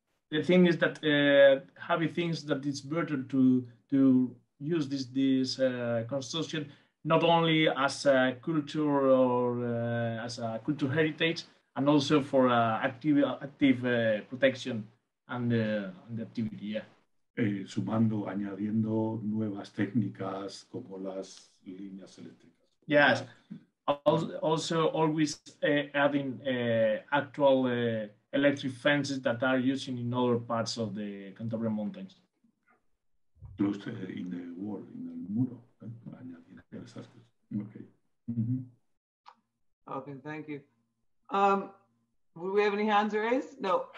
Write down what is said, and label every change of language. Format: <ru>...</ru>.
<en>the thing is that Javi thinks that it's better to use this construction not only as a culture or as a cultural heritage, and also for active protection and the activity. Yeah.</en> <es>Sumando, añadiendo nuevas técnicas como las líneas eléctricas.</es> <en>Yes. Also, always adding actual electric fences that are used in other parts of the Cantabrian mountains. Close to, in the wall, in</en> <es>el muro.</es> <en>Okay. Mm-hmm. Okay, thank you. Would we have any hands raised? No.</en>